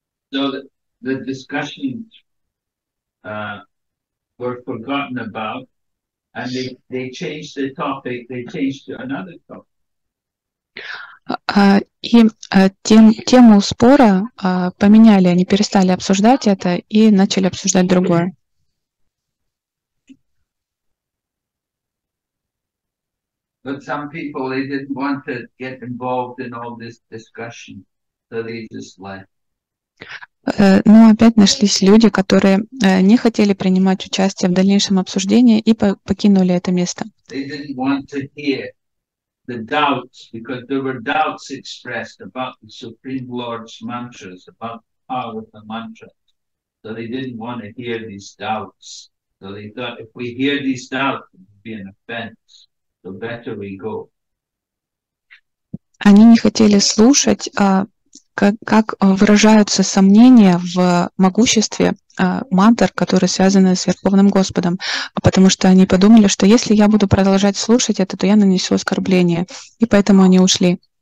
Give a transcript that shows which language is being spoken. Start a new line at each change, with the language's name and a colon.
English: So the discussions were forgotten about, and they changed the topic, they changed to another topic.
Russian: Тему спора поменяли, они перестали обсуждать это и начали обсуждать другое.
English: But some people, they didn't want to get involved in all this discussion, so they just left.
Russian: Но опять нашлись люди, которые не хотели принимать участие в дальнейшем обсуждении и покинули это место.
English: They didn't want to hear the doubts, because there were doubts expressed about the Supreme Lord's mantras, about the power of the mantra. So they didn't want to hear these doubts. So they thought, if we hear these doubts, it would be an offense. So better we go.
Russian: Они не хотели слушать, как выражаются сомнения в могуществе мантр, которые связаны с Верховным Господом, потому что они подумали, что если я буду продолжать слушать это, то я нанесу оскорбление, и поэтому они ушли.